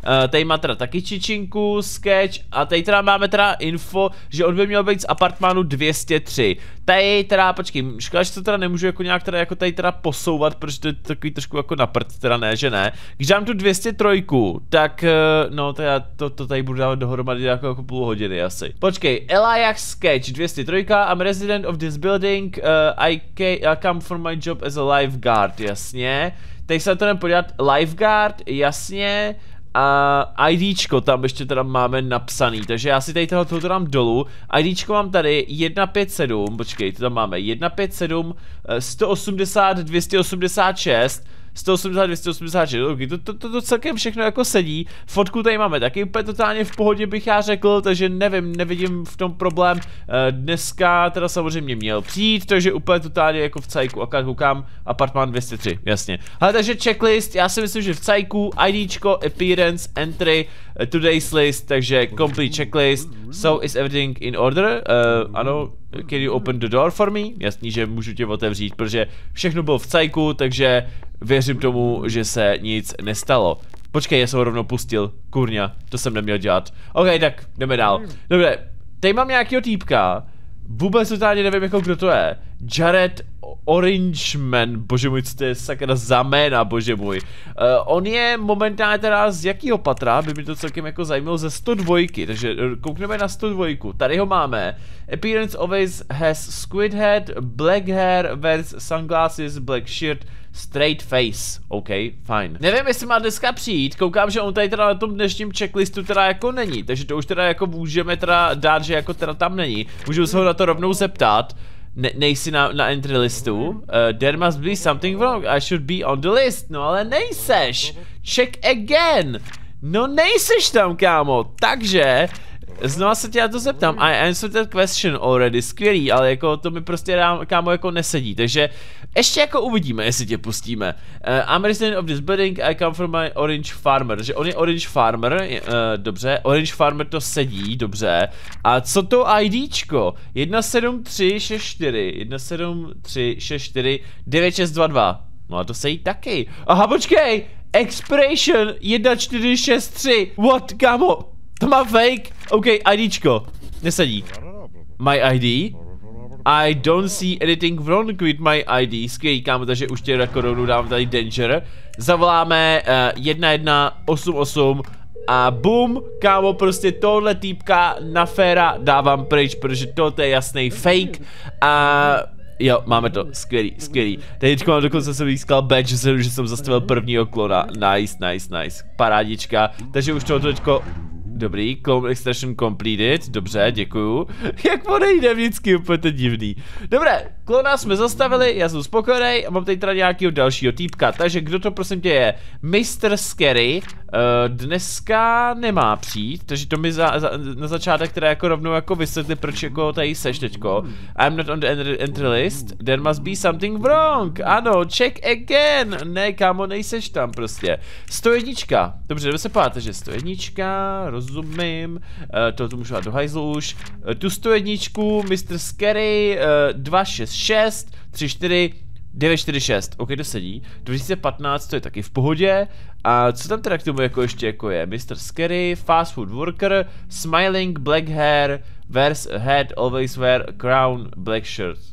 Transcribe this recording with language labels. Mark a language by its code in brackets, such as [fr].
[cs] Tady má teda taky čičinku, Sketch a tady teda máme teda info, že on by měl být z apartmánu 203. Tady teda, počkej, škoda, že to teda nemůžu jako nějak teda jako tady teda posouvat, protože to je takový trošku jako na prd, teda ne, že ne. Když dám tu 203, tak no, to já to tady budu dávat dohromady jako půl hodiny asi. Počkej, [en] Eliach Sketch, 203, I'm resident of this building, I come from my job as a lifeguard, [cs] jasně. Teď se na to jdem podívat, lifeguard, jasně. A IDčko tam ještě teda máme napsaný, takže já si tady tohoto dám dolů. IDčko mám tady 157, počkej, to tam máme 157, 180, 286, 180, 286, to celkem všechno jako sedí. Fotku tady máme taky úplně totálně v pohodě, bych já řekl, takže nevím, nevidím v tom problém. Dneska teda samozřejmě měl přijít, takže úplně totálně jako v cajku, akorát koukám, apartmán 203, jasně. Ale takže checklist, já si myslím, že v cajku, IDčko, [en] appearance, entry, today's list, [cs] takže [en] complete checklist. So is everything in order? [cs] Ano. [en] Can you open the door for me? [cs] Jasný, že můžu tě otevřít, protože všechno bylo v cajku, takže věřím tomu, že se nic nestalo. Počkej, já jsem ho rovnou pustil. Kurňa, to jsem neměl dělat. OK, tak jdeme dál. Dobře, tady mám nějakýho týpka. Vůbec totálně nevím, jako kdo to je. Jared Orangeman, bože můj, co to je sakra za jména, bože můj. On je momentálně teda z jakýho patra, by mi to celkem jako zajímalo, ze 102, takže koukneme na 102, tady ho máme. [en] Appearance always has squid head, black hair, wears sunglasses, black shirt, straight face, OK, fine. [cs] Nevím, jestli má dneska přijít, koukám, že on tady teda na tom dnešním checklistu teda jako není, takže to už teda jako můžeme teda dát, že jako teda tam není. Můžu se ho na to rovnou zeptat. Nejsi na entry listu. [en] There must be something wrong, I should be on the list. [cs] No ale nejseš. [en] Check again. [cs] No nejseš tam, kámo. Takže, znovu se tě já to zeptám. [en] I answered that question already, [cs] skvělý. Ale jako to mi prostě dám, kámo, jako nesedí. Takže ještě jako uvidíme, jestli tě pustíme. [en] I'm resident of this building, I come from my orange farmer. [cs] Že on je orange farmer, dobře. Orange farmer to sedí, dobře. A co to IDčko? 17364 9622. No a to sedí taky. Aha, počkej! [en] Expiration 1463. What, [cs] kámo? To má fake? OK, IDčko. Nesedí. [en] My ID? I don't see anything wrong with my ID. [cs] Skvělý, kámo, takže už tě jako rovnou dám tady danger. Zavoláme 1188 a boom, kámo, prostě tohle týpka na féra dávám pryč, protože tohle je jasný fake. A jo, máme to, skvělý, skvělý. Teďko mám dokonce se vyskal badge, že jsem zastavil prvního klona. [en] Nice, nice, nice, [cs] parádička. Takže už tohle teďko... Dobrý, [en] clone extraction completed, [cs] dobře, děkuju. Jak odejde vždycky, úplně to divný. Dobré, klona jsme zastavili, já jsem spokojený a mám tady teda nějakého dalšího týpka. Takže kdo to prosím tě je? Mr. Scary dneska nemá přijít, takže to mi na začátek teda jako rovnou jako vysvětli, proč jako tady seš teďko. [en] I'm not on the entry list, there must be something wrong. [cs] Ano, [en] check again. [cs] Ne, kámo, nejseš tam prostě. 101, dobře, jdeme se pát, takže 101, rozumím, to můžu dát do hajzlu už. Tu 101, Mr. Scary, 266, 34, 946, ok, to sedí. 2015, to je taky v pohodě. A co tam teda k tomu jako ještě jako je? Mr. [en] Scary, fast food worker, smiling, black hair, wears a hat, always wear a crown, black shirt.